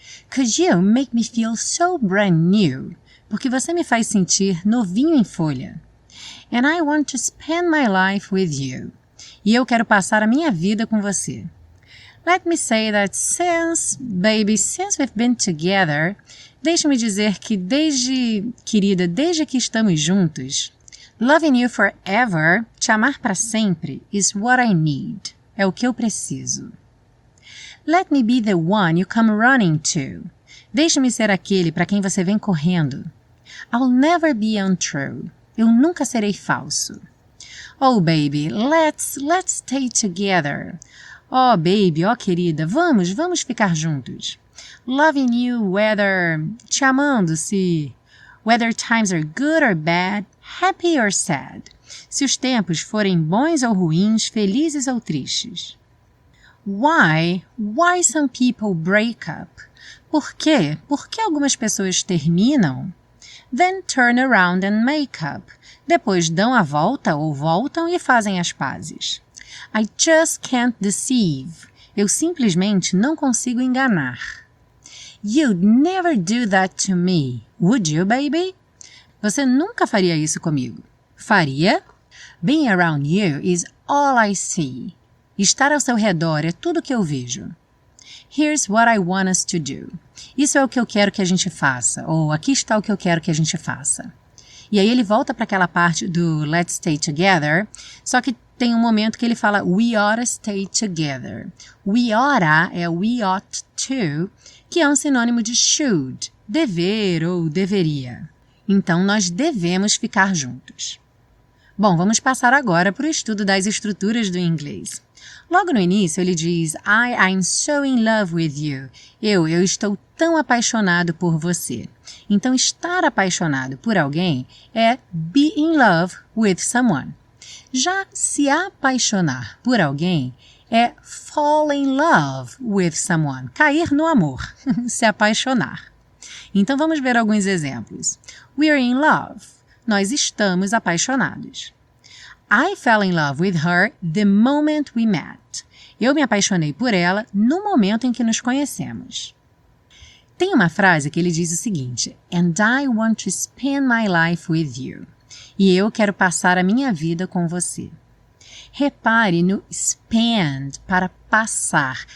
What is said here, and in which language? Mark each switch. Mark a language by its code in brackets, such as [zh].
[en] 'Cause you make me feel so brand new. [pt] Porque você me faz sentir novinho em folha. [en] And I want to spend my life with you. [pt] E eu quero passar a minha vida com você. [en] Let me say that since we've been together, [pt] deixe-me dizer que desde que estamos juntos, [en] loving you forever, [pt] te amar para sempre, [en] is what I need, [pt] é o que eu preciso. [en] Let me be the one you come running to, [pt] deixe-me ser aquele para quem você vem correndo. [en] I'll never be untrue, [pt] eu nunca serei falso. [en] Oh baby, let's stay together. [pt] Oh, baby, oh, querida, vamos ficar juntos. [en] Loving you, whether, [pt] te amando, se, [en] whether times are good or bad, happy or sad. [pt] Se os tempos forem bons ou ruins, felizes ou tristes. [en] Why some people break up? [pt] Por quê? Por que algumas pessoas terminam? [en] Then turn around and make up. [pt] Depois dão a volta ou voltam e fazem as pazes. [en] I just can't deceive. [pt] Eu simplesmente não consigo enganar. [en] You'd never do that to me, would you, baby? [pt] Você nunca faria isso comigo. Faria? [en] Being around you is all I see. [pt] Estar ao seu redor é tudo que eu vejo. [en] Here's what I want us to do. [pt] Isso é o que eu quero que a gente faça. Ou aqui está o que eu quero que a gente faça. E aí ele volta para aquela parte do Let's Stay Together, só que tem um momento que ele fala [en] We oughta stay together. We oughta [pt] é [en] we ought to, [pt] que é um sinônimo de should, dever ou deveria. Então, nós devemos ficar juntos. Bom, vamos passar agora para o estudo das estruturas do inglês. Logo no início, ele diz [en] I'm so in love with you. [pt] Eu estou tão apaixonado por você. Então, estar apaixonado por alguém é [en] be in love with someone. [pt] Já se apaixonar por alguém é [en] fall in love with someone, [pt] cair no amor, se apaixonar. Então, vamos ver alguns exemplos. [en] We're in love. [pt] Nós estamos apaixonados. [en] I fell in love with her the moment we met. [pt] Eu me apaixonei por ela no momento em que nos conhecemos. Tem uma frase que ele diz o seguinte, [en] and I want to spend my life with you. [pt] E eu quero passar a minha vida com você. Repare no spend, para passar.